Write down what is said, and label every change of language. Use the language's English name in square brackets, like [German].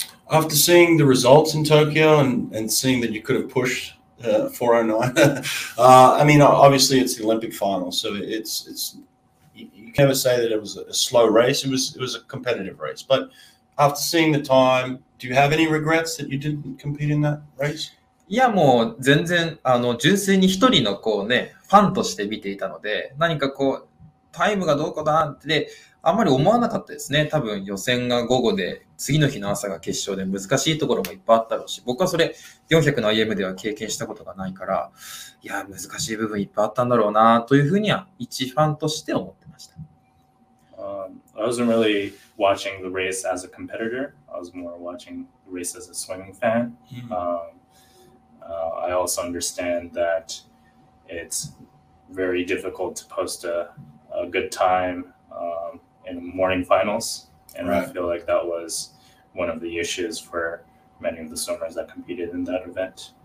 [English] After seeing the results in Tokyo and seeing that you could have pushed 409, I mean, obviously it's the Olympic final, so it's you can never say that it was a slow race. It was a competitive race. But after seeing the time, do you have any regrets that you didn't compete in that race? [Japanese] いやもう全然純粋に一人のこうねファンとして見ていたので、何かこうタイムがどうかだってあんまり思わなかったですね。多分予選が午後で次の日の朝が決勝で難しいところもいっぱいあったろうし、僕はそれ400の IM では経験したことがないから、いや難しい部分いっぱいあったんだろうなというふうには一ファンとして思ってました。 [English] I wasn't really watching the race as a competitor. I was more watching the race as a swimming fan. I also understand that it's very difficult to post a good time in morning finals, and right. I feel like that was one of the issues for many of the swimmers that competed in that event.